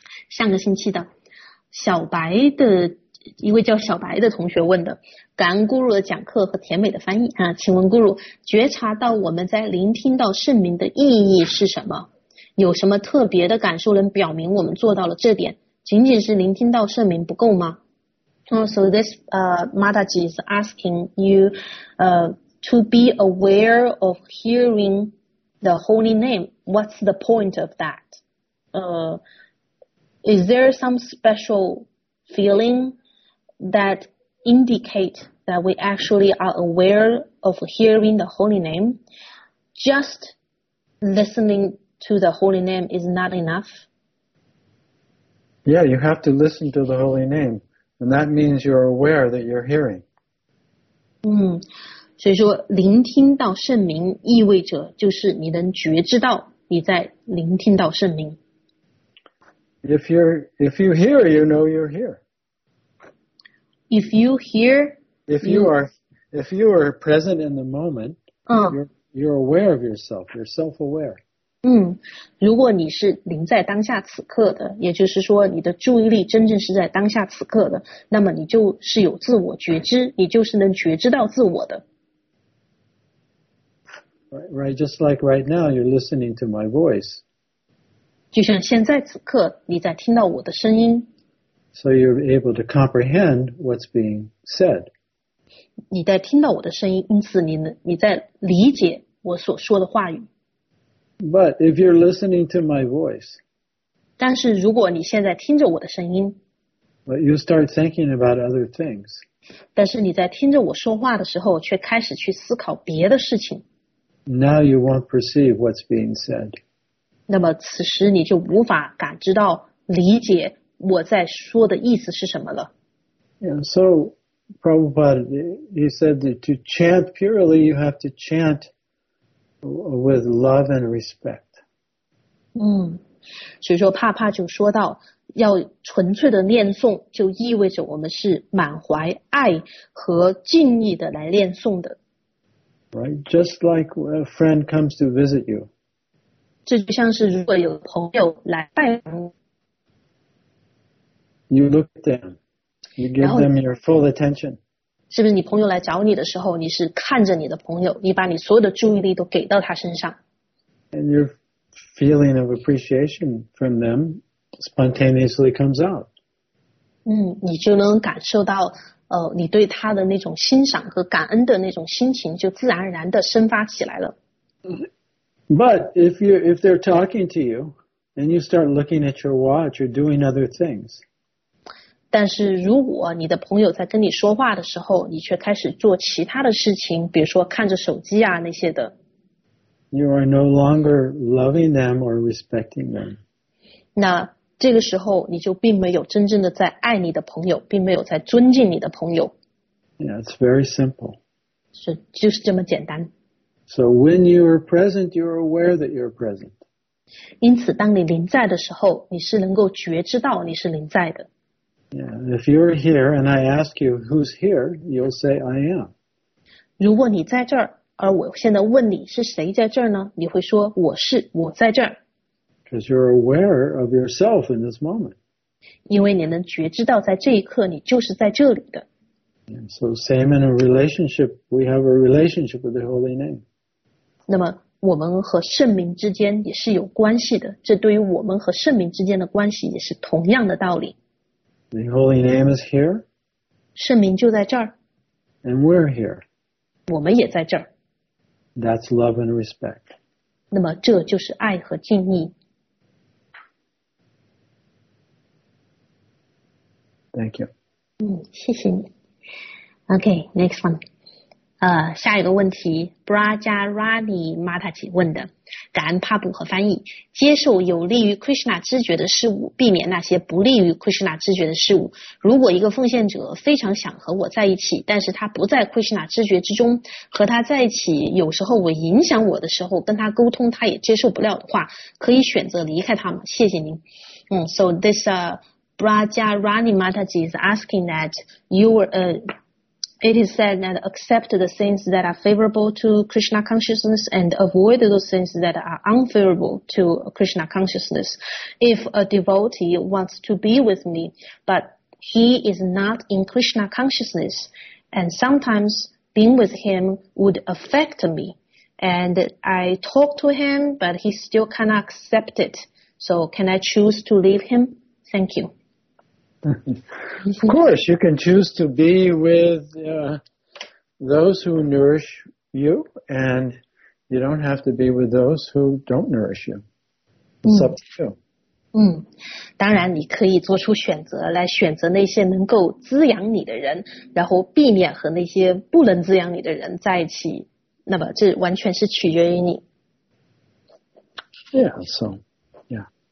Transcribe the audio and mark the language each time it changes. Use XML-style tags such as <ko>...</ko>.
<zh>上个星期的小白的一位叫小白的同学问的，感恩guru的讲课和甜美的翻译啊，请问guru，觉察到我们在聆听到圣名的意义是什么？有什么特别的感受能表明我们做到了这点？仅仅是聆听到圣名不够吗？</zh> <en>So this Mataji is asking you to be aware of hearing the holy name. What's the point of that? Is there some special feeling that indicate that we actually are aware of hearing the holy name? Just listening to the holy name is not enough? Yeah, you have to listen to the holy name, and that means you're aware that you're hearing. Mm.</en> <zh>所以说聆听到圣名意味着就是你能觉知到你在聆听到圣名。</zh> <en>If you hear, you know you're here. If you hear, if you are present in the moment, you're aware of yourself, you're self-aware.</en> <zh>如果你是临在当下此刻的，也就是说你的注意力真正是在当下此刻的，那么你就是有自我觉知，你就是能觉知到自我的。</zh> <en>Right, just like right now, you're listening to my voice.</en> <zh>就像现在此刻你在听到我的声音。</zh> <en>So you're able to comprehend what's being said.</en> <zh>你在听到我的声音，因此你在理解我所说的话语。</zh> <en>But if you're listening to my voice,</en> <zh>但是如果你现在听着我的声音，</zh> <en>but you start thinking about other things.</en> <zh>但是你在听着我说话的时候，却开始去思考别的事情。</zh> <en>Now you won't perceive what's being said.</en> <zh>那么此时你就无法感知到理解我在说的意思是什么了。</zh> <en>Yeah, so Prabhupada, he said that to chant purely, you have to chant with love and respect.</en> <zh>所以说帕帕就说到要纯粹的念诵就意味着我们是满怀爱和敬意的来念诵的。</zh> <en>Right, just like a friend comes to visit you.</en> <zh>这就像是如果有朋友来拜访。</zh> <en>You look at them. You give them your full attention.</en> <zh>是不是你朋友来找你的时候，你是看着你的朋友，你把你所有的注意力都给到他身上。</zh> <en>And your feeling of appreciation from them spontaneously comes out.</en> <zh>你就能感受到你对他的那种欣赏和感恩的那种心情就自然而然的生发起来了。</zh> <en>But if they're talking to you, and you start looking at your watch, you're doing other things.</en> <zh>但是如果你的朋友在跟你说话的时候，你却开始做其他的事情，比如说看着手机啊那些的。</zh> <en>You are no longer loving them or respecting them.</en> <zh>那这个时候你就并没有真正的在爱你的朋友，并没有在尊敬你的朋友。</zh> <en>Yeah, it's very simple.</en> <zh>是，就是这么简单。</zh> <en>So when you are present, you are aware that you are present.</en> <zh>因此当你临在的时候，你是能够觉知到你是临在的。</zh> <en>Yeah, if you're here and I ask you who's here, you'll say I am.</en> <zh>如果你在这儿，而我现在问你是谁在这儿呢？你会说我是，我在这儿。</zh> <en>Because you're aware of yourself in this moment.</en> <zh>因为你能觉知到在这一刻你就是在这里的。</zh> <en>And so same in a relationship, we have a relationship with the Holy Name.</en> <zh>那么我们和圣名之间也是有关系的，这对于我们和圣名之间的关系也是同样的道理。</zh> <en>The Holy Name is here.</en> <zh>圣名就在这儿。</zh> <en>And we're here.</en> <zh>我们也在这儿。</zh> <en>That's love and respect.</en> <zh>那么这就是爱和敬意。</zh> <en>Thank you.</en> <zh>谢谢你。</zh> <en>Okay, next one.</en> <zh>下一个问题 ,Brajarani Mataji 问的，感恩帕布和翻译，接受有利于 Krishna 知觉的事物，避免那些不利于 Krishna 知觉的事物。如果一个奉献者非常想和我在一起，但是他不在 Krishna 知觉之中，和他在一起有时候我影响我的时候跟他沟通他也接受不了的话，可以选择离开他吗？谢谢您。</zh> <en>So this, Brajarani Mataji is asking that it is said that accept the things that are favorable to Krishna consciousness and avoid those things that are unfavorable to Krishna consciousness. If a devotee wants to be with me, but he is not in Krishna consciousness, and sometimes being with him would affect me, and I talk to him, but he still cannot accept it. So can I choose to leave him? Thank you. Of course, you can choose to be with those who nourish you, and you don't have to be with those who don't nourish you. It's up to you.</en> <zh>当然你可以做出选择来选择那些能够滋养你的人，然后避免和那些不能滋养你的人在一起，那么这完全是取决于你。</zh> <en>Yeah, so, yeah.</en>